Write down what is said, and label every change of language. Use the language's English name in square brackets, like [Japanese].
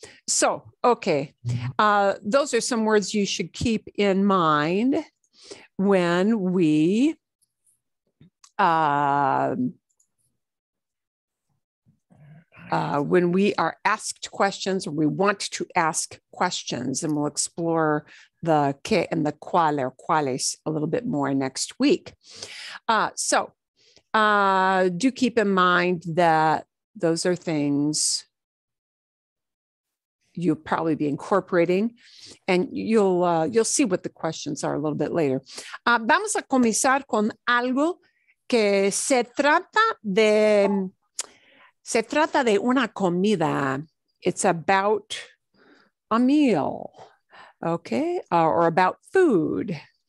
[English] Those are some words you should keep in mind when we are asked questions, or we want to ask questions, and we'll explore the que and the cual or cuales a little bit more next week. Do keep in mind that those are things you'll probably be incorporating, and you'll see what the questions are a little bit later. [Spanish] Vamos a comenzar con algo que se trata de una comida. [English] It's about a meal, okay, or about food.